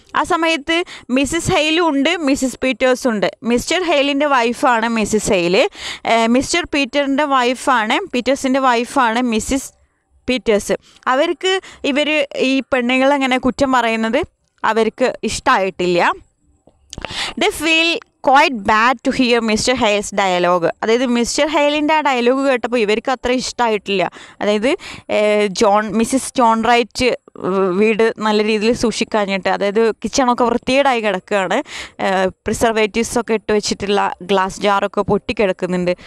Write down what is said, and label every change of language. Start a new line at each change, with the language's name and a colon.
Malayalam: ആ സമയത്ത് മിസ്സിസ് ഹെയിലും ഉണ്ട്, മിസ്സിസ് പീറ്റേഴ്സും ഉണ്ട്. മിസ്റ്റർ ഹെയിലിൻ്റെ വൈഫാണ് മിസ്സിസ് ഹെയിൽ. മിസ്റ്റർ പീറ്ററിൻ്റെ വൈഫാണ് പീറ്റേഴ്സിൻ്റെ വൈഫാണ് മിസ്സിസ് പീറ്റേഴ്സ്. അവർക്ക് ഇവർ ഈ പെണ്ണുങ്ങളെങ്ങനെ കുറ്റം പറയുന്നത് അവർക്ക് ഇഷ്ടമായിട്ടില്ല.
English: They feel quite bad to hear Mr. Hale's dialogue.
Malayalam: അതായത് മിസ്റ്റർ ഹെയിലിൻ്റെ ആ ഡയലോഗ് കേട്ടപ്പോൾ ഇവർക്ക് അത്ര ഇഷ്ടമായിട്ടില്ല. അതായത് മിസ്സിസ് ജോൺ റൈറ്റ് വീട് നല്ല രീതിയിൽ സൂക്ഷിക്കാഞ്ഞിട്ട്, അതായത് കിച്ചണൊക്കെ വൃത്തികേടായി കിടക്കുകയാണ്, പ്രിസർവേറ്റീവ്സൊക്കെ ഇട്ട് വെച്ചിട്ടുള്ള ഗ്ലാസ് ജാറൊക്കെ പൊട്ടിക്കിടക്കുന്നുണ്ട്.